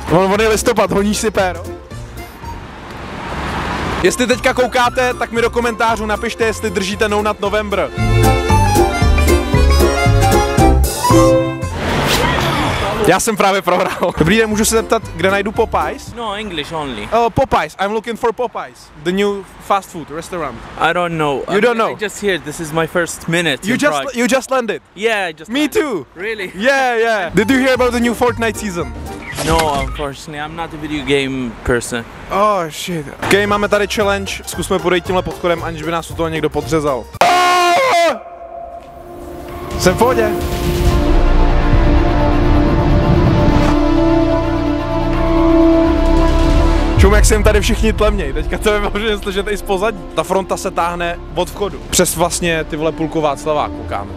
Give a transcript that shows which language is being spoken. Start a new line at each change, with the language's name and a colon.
Czech: On je listopad, honíš si péro? Jestli teďka koukáte, tak mi do komentářů napište, jestli držíte nounat November. Já jsem právě prohrál. Dobrý den, můžu se zeptat, kde najdu Popeyes?
English: No, English only. Popeyes, I'm looking for Popeyes. The new fast food restaurant. I don't know. You don't know? I just here, this is my first minute. You just landed? Yeah, I just Me landed. Too. Really? Yeah. Did you hear about the new Fortnite season? No, unfortunately, I'm not a video game person. Oh, shit. Okay,
Czech: máme tady challenge. Zkusme podejít tímhle podchodem, aniž by nás u toho někdo podřezal. Jsem v pohodě. Čum, jak se jim tady všichni tlemněj, teďka to vyvážím, že tady z pozadí. Ta fronta se táhne od vchodu, přes vlastně ty vole půlku Václaváku, kámo.